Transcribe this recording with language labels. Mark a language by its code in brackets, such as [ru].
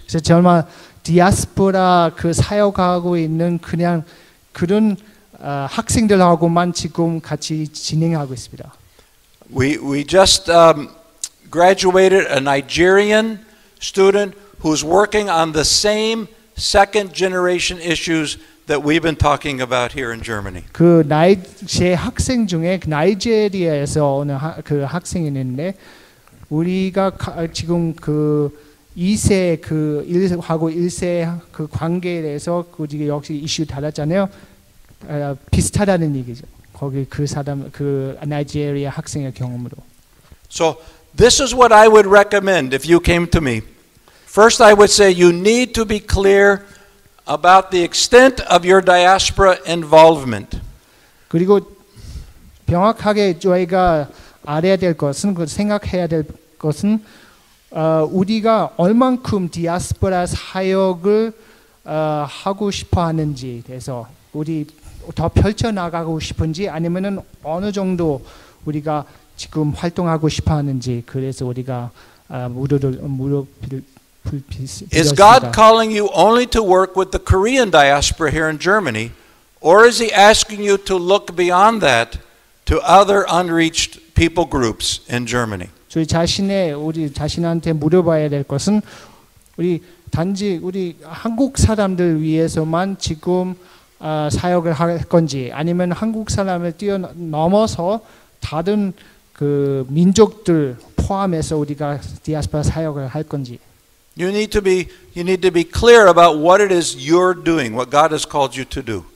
[ko] 그래서 정말 디아스포라 그 사역하고 있는 그냥 그런 학생들하고만 지금 같이 진행하고 있습니다. [en] We just graduated a Nigerian student who's working on the same second generation issues that we've been talking about here in Germany. [ko] 그 제 학생 중에 나이지리아에서 오는 그 학생이 있는데 우리가 지금 그 2세 그 1세하고 1세 그 관계에 대해서 그게 역시 이슈 달랐잖아요. 비슷하다는 얘기죠. 거기 그 사람 그 나이지리아 학생의 경험으로. [en] So this is what I would recommend if you came to me. First I would say you need to be clear about the extent of your diaspora involvement. [ko] 그리고 명확하게 저희가 알아야 될 것은 그 생각해야 될 것은 우리가 얼만큼 디아스포라 사역을 하고 싶어 하는지 대해서 우리 더 펼쳐 나가고 싶은지 아니면은 어느 정도 우리가 지금 활동하고 싶어 하는지 그래서 우리가 물어볼 [en] Is God calling you only to work with the Korean diaspora here in Germany, or is He asking you to look beyond that to other unreached people groups in Germany? [ko] 저희 자신의 우리 자신한테 물어봐야 될 것은 우리 단지 우리 한국 사람들 위해서만 지금 사역을 할 건지 아니면 한국 사람을 뛰어넘어서 다른 그 민족들 포함해서 우리가 디아스포라 사역을 할 건지. [en] You need to be clear about what it is you're doing, what God has called you to do.